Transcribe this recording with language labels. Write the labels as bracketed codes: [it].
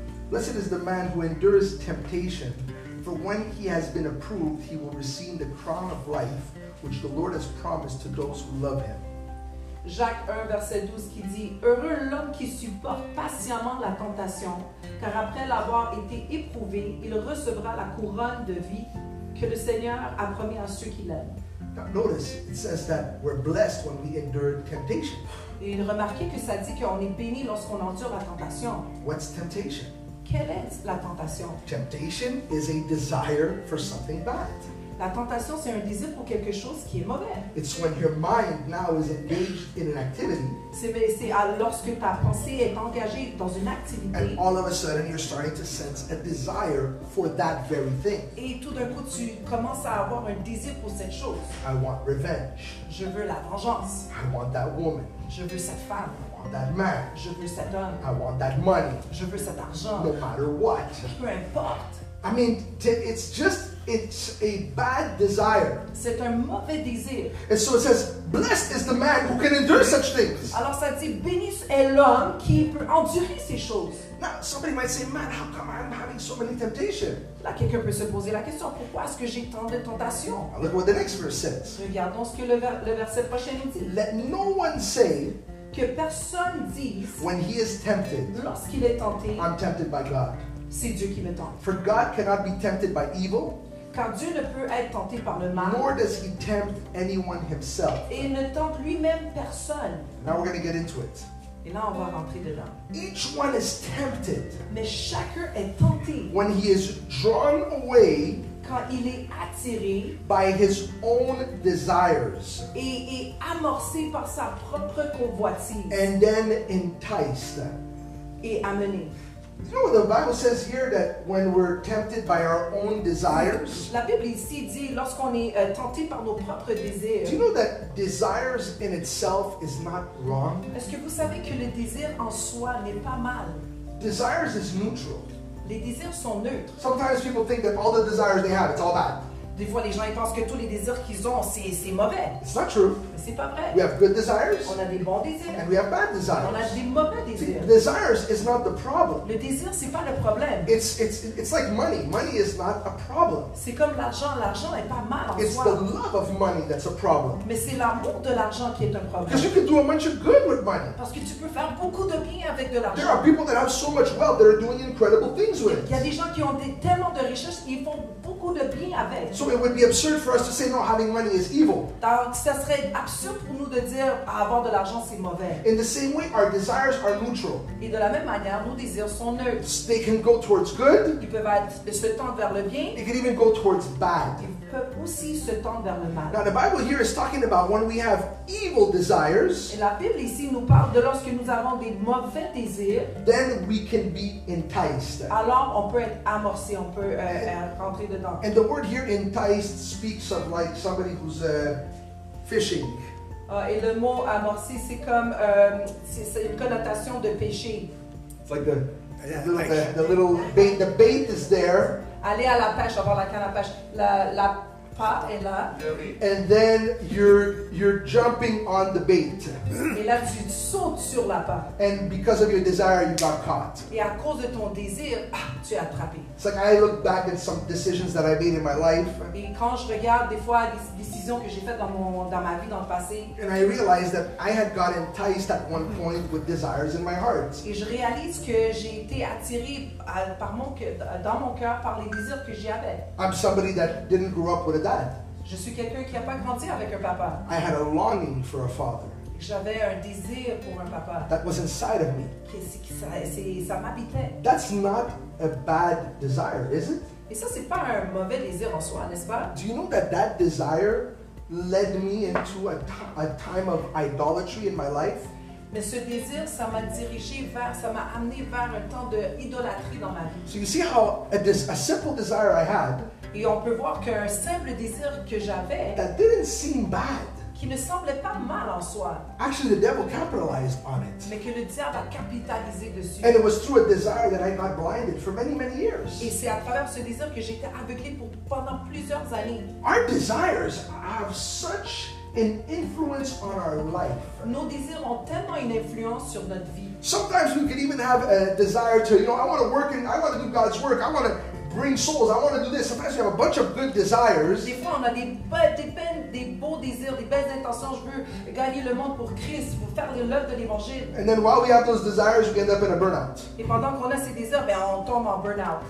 [en] "Blessed is the man who endures temptation. For when he has been approved, he will receive the crown of life which the Lord has promised to those who love him." [fr] Jacques 1, verset 12 qui dit, "Heureux l'homme qui supporte patiemment la tentation, car après l'avoir été éprouvé, il recevra la couronne de vie que le Seigneur a promis à ceux qui l'aiment." [en] Now notice, it says that we're blessed when we endure temptation. [fr] Et remarquez que ça dit qu'on est béni lorsqu'on endure la tentation. [en] What's temptation? [fr] Quelle est la tentation? [en] Temptation is a desire for something bad. [fr] La tentation, c'est un désir pour quelque chose qui est mauvais. [en] It's when your mind now is engaged in an activity. [fr] C'est lorsque ta pensée est engagée dans une activité. [en] And all of a sudden, you're starting to sense a desire for that very thing. [fr] Et tout d'un coup, tu commences à avoir un désir pour cette chose. [en] I want revenge. [fr] Je veux la vengeance. [en] I want that woman. [fr] Je veux cette femme. [en] I want that man. [fr] Je veux cet homme. [en] I want that money. [fr] Je veux cet argent. [en] No matter what. [fr] Peu importe. [en] I mean, it's just, it's a bad desire. [fr] C'est un mauvais désir. [en] And so it says, blessed is the man who can endure such things. [fr] Alors ça dit, béni est l'homme qui peut endurer ces choses. [en] Now, somebody might say, man, how come I'm having so many temptations? [fr] Là, quelqu'un peut se poser la question, pourquoi est-ce que j'ai tant de tentations? [en] Now, look what the next verse says. [fr] Regardons ce que le verset prochain dit. [en] Let no one say, [fr] que personne dise, [en] when he is tempted, [fr] lorsqu'il est tenté, [en] I'm tempted by God. [fr] C'est Dieu qui me tente. [en] For God cannot be tempted by evil, [fr] car Dieu ne peut être tenté par le mal, [en] nor does he tempt anyone himself. [fr] Et il ne tente lui-même personne. [en] Now we're going to get into it. [fr] Et là, on va rentrer dedans. [en] Each one is tempted, [fr] mais chacun est tenté, [en] when he is drawn away, [fr] quand il est attiré, [en] by his own desires, [fr] et est amorcé par sa propre convoitise, [en] and then enticed, [fr] et amené. [en] You know, the Bible says here that when we're tempted by our own desires, [fr] la Bible ici dit lorsqu'on est tenté par nos propres désirs. [en] Do you know that desires in itself is not wrong? [fr] Est-ce que vous savez que le désir en soi n'est pas mal? [en] Desires is neutral. [fr] Les désirs sont neutres. [en] Sometimes people think that all the desires they have, it's all bad. [fr] Des fois, les gens ils pensent que tous les désirs qu'ils ont, c'est mauvais. [en] It's not true. [fr] Mais c'est pas vrai. [en] We have good desires. [fr] On a des bons désirs. [en] And we have bad desires. [fr] On a des mauvais désirs. [en] See, desires is not the problem. [fr] Le désir, c'est pas le problème. [en] It's like money. Money is not a problem. [fr] C'est comme l'argent. L'argent est pas mal en [en] it's [fr] soi. [en] The love of money that's a problem. [fr] Mais c'est l'amour de l'argent qui est un problème. [en] Because you can do a bunch of good with money. [fr] Parce que tu peux faire beaucoup de bien avec de l'argent. [en] There are people that have so much wealth that are doing incredible things with it. [fr] Il y a des gens qui ont tellement de richesses, ils font beaucoup de bien avec. [en] So it would be absurd for us to say, no, having money is evil. [fr] Donc, ça serait absurde pour nous de dire, avoir de l'argent, c'est mauvais. [en] In the same way, our desires are neutral. [fr] Et de la même manière, nos désirs sont neutres. [en] They can go towards good. [fr] Ils peuvent être, se tendre vers le bien. [en] They can even go towards bad. [fr] Ils peuvent aussi se tendre vers le mal. [en] Now, the Bible here is talking about when we have evil desires. [fr] Et la Bible ici nous parle de lorsque nous avons des mauvais désirs. [en] Then we can be enticed. [fr] Alors, on peut être amorcé, on peut rentrer dedans. [en] And the word here, enticed, speaks of like somebody who's fishing. [fr] Et le mot amorcé, c'est comme, c'est une connotation de pêcher. [en] It's like the little bait, the bait is there. [fr] Aller à la pêche, avoir la canne à pêche. La part est là. [en] And then you're jumping on the bait. [fr] Et là, tu sautes sur la part. [en] And because of your desire, you got caught. [fr] Et à cause de ton désir, tu es attrapé. [en] It's like I look back at some decisions that I made in my life. [fr] Et quand je regarde des fois des décisions que j'ai faites dans ma vie, dans le passé. [en] And I realize that I had got enticed at one point with desires in my heart. [fr] Et je réalise que j'ai été attiré dans mon cœur par les désirs que j'y avais. [en] I'm somebody that didn't grow up with a dad. [fr] Je suis quelqu'un qui n'a pas grandi avec un papa. [en] I had a longing for a father. [fr] J'avais un désir pour un papa. [en] That was inside of me. [fr] Ça m'habitait. [en] That's not a bad desire, is it? [fr] Et ça, c'est pas un mauvais désir en soi, n'est-ce pas? [en] Do you know that desire led me into a time of idolatry in my life? [fr] Mais ce désir, ça m'a amené vers un temps d'idolatrie dans ma vie. [en] So you see how a simple desire I had, [fr] et on peut voir qu'un simple désir que j'avais, [en] that didn't seem bad, [fr] qui ne semblait pas mal en soi. [en] Actually, the devil capitalized on it. [fr] Mais que le diable a capitalisé dessus. [en] And it was through a desire that I got blinded for many, many years. [fr] Et c'est à travers ce désir que j'étais aveuglé pour pendant plusieurs années. [en] Our desires have such an influence on our life. [fr] Nos désirs ont tellement une influence sur notre vie. [en] Sometimes we can even have a desire to, you know, I want to work and I want to do God's work. I want to bring souls. I want to do this. Sometimes you have a bunch of good desires. [fr] Des fois, on a des beaux désirs, des belles intentions. Je veux gagner le monde pour Christ, pour faire l'œuvre de l'Évangile. [en] And then while we have those desires, we end up in a burnout. [fr] Et pendant qu'on a ces désirs, ben on tombe en burnout.